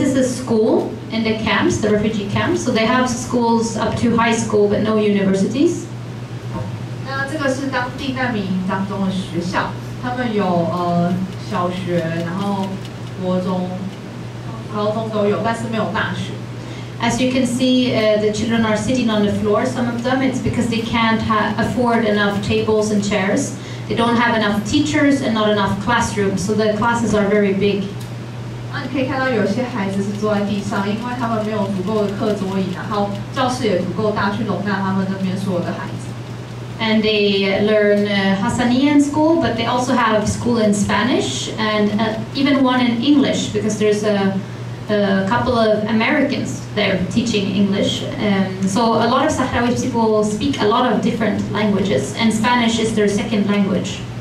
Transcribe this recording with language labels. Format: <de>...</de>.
<en>is a school in the camps, the refugee camps. So they have schools up to high school, but no universities.</en> <zh>那这个是当地难民营当中的学校，他们有。小学，然后国中、高中都有，但是没有大学。</zh> <en>As you can see, the children are sitting on the floor. Some of them, it's because they can't afford enough tables and chairs. They don't have enough teachers and not enough classrooms, so the classes are very big.</en> <zh>那你可以看到有些孩子是坐在地上，因为他们没有足够的课桌椅，然后教室也足够大去容纳他们那边所有的孩子。</zh> <en>And they learn Hassanian school, but they also have school in Spanish and even one in English because there's a couple of Americans there teaching English. So a lot of Sahrawi people speak a lot of different languages, and Spanish is their second language.</en>